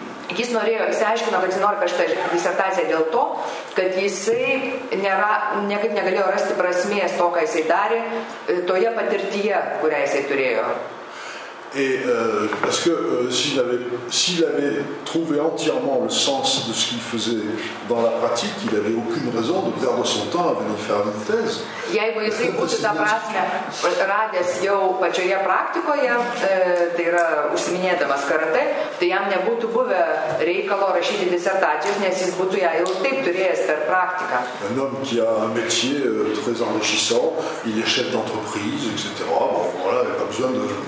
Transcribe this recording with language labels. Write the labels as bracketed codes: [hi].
[lt] Jis norėjo, jis aiškino, kad jis nori kažką disertaciją dėl to, kad jisai niekaip negalėjo rasti prasmės to, ką jisai darė, toje patirtyje, kurią jisai turėjo. [fr] Et parce que s'il avait trouvé entièrement le sens de ce qu'il faisait dans la pratique, il n'avait aucune raison de perdre son temps à venir faire une thèse. [lt] Jeigu jisai būtų tą prasmę radęs jau pačioje praktikoje, tai yra užsiminėdamas karate, tai jam nebūtų buvę reikalo rašyti disertacijos, nes jis būtų ją jau taip turėjęs per praktiką. [fr] Un homme qui a un métier très enrichissant, il est chef d'entreprise, etc. Bon, voilà, il n'a pas besoin de...